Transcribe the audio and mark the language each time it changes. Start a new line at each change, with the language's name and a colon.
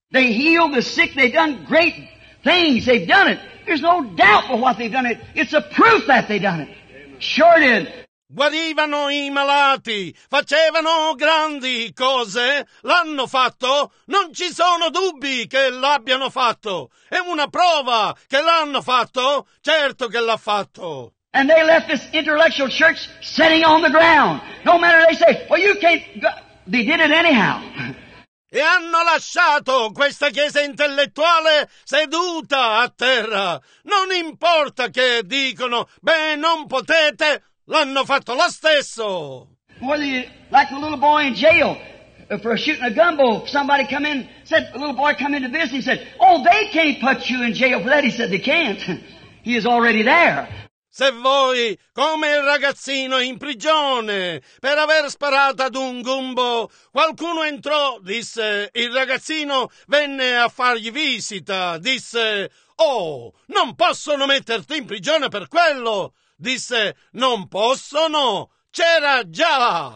English: They healed the sick, they've done great things, they've done it. There's no doubt for what they've done it. It's a proof that they've done it. Sure did.
Italian: guarivano i malati, facevano grandi cose, l'hanno fatto? Non ci sono dubbi che l'abbiano fatto. È una prova che l'hanno fatto? Certo che l'ha fatto.
English: And they left this intellectual church sitting on the ground. No matter they say, well, you can't go. They did it anyhow.
Italian: E hanno lasciato questa chiesa intellettuale seduta a terra. Non importa che dicono, beh, non potete, l'hanno fatto lo stesso.
English: Whether you, like the little boy in jail for shooting a gumbo, somebody come in, said, a little boy come in to visit, he said, oh, they can't put you in jail for that. He said, they can't. He is already there.
Italian: Se voi, come il ragazzino in prigione, per aver sparato ad un gumbo, qualcuno entrò, disse, il ragazzino venne a fargli visita, disse, oh, non possono metterti in prigione per quello, disse, non possono, c'era già.